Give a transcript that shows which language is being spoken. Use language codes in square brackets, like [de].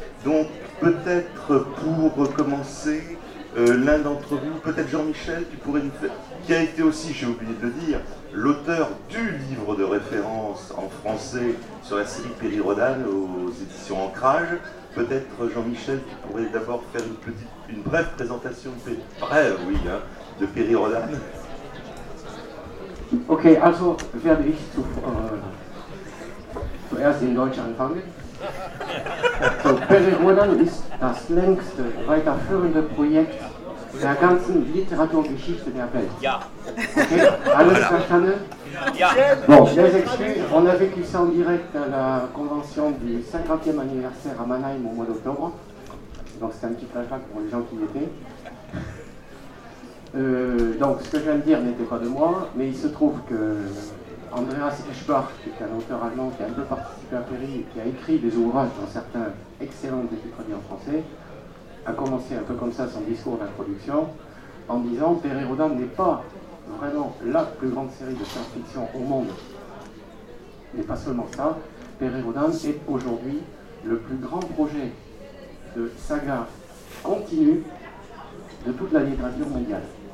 [fr] Donc peut-être pour commencer, l'un d'entre vous, peut-être Jean-Michel, tu pourrais nous faire, qui a été aussi, j'ai oublié de le dire, l'auteur du livre de référence en français sur la série Perry Rhodan aux éditions Ancrage. Peut-être Jean-Michel, tu pourrais d'abord faire une brève présentation de Perry Rhodan. [de] Ok, also werde ich zuerst in Deutsch anfangen. So, Perry Rhodan ist das längste weiterführende Projekt der ganzen Literaturgeschichte der Welt. Ja. Okay, alles verstanden? Ja. [fr] Bon, les excuses, on a vécu ça en direct à la convention du 50e anniversaire à Mannheim au mois d'octobre. Donc c'est un petit flashback pour les gens qui y étaient. Donc ce que je viens de dire n'était pas de moi, mais il se trouve que Andreas Eschbach, qui est un auteur allemand qui a un peu participé à Perry et qui a écrit des ouvrages dans certains excellents des traduits en français, a commencé un peu comme ça son discours d'introduction en disant « Perry Rhodan n'est pas vraiment la plus grande série de science-fiction au monde. » Mais pas seulement ça, Perry Rhodan est aujourd'hui le plus grand projet de saga continue de toute la littérature mondiale.